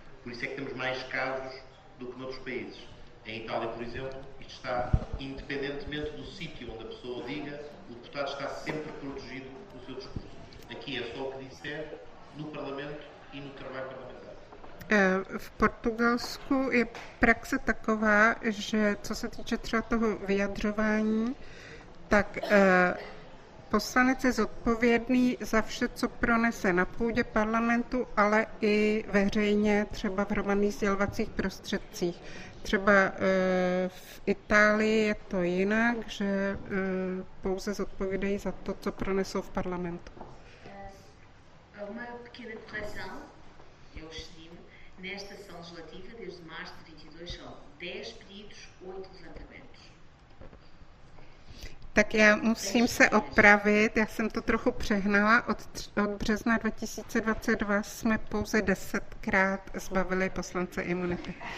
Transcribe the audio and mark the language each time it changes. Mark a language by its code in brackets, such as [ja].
[pt] Por isso é que temos mais casos do que noutros países. Em Itália, por exemplo, isto está, independentemente do sítio onde a pessoa diga, o deputado está sempre protegido no seu discurso. Aqui é só o que disser no Parlamento e no trabalho parlamentar. [cs] V Portugalsku je praxe taková, že co se týče třeba toho vyjadřování, tak poslanec je zodpovědný za vše, co pronese na půdě parlamentu, ale i veřejně, třeba v hromadných sdělovacích prostředcích. Třeba v Itálii je to jinak, že pouze zodpovědají za to, co pronesou v parlamentu. [pt] Uma pequena correção, eu estimo, nesta sessão legislativa, desde março de 22, são 10 pedidos, 8 levantamentos. [cs] Tak já musím se opravit, já jsem to trochu přehnala, od března 2022 jsme pouze 10krát zbavili poslance imunity.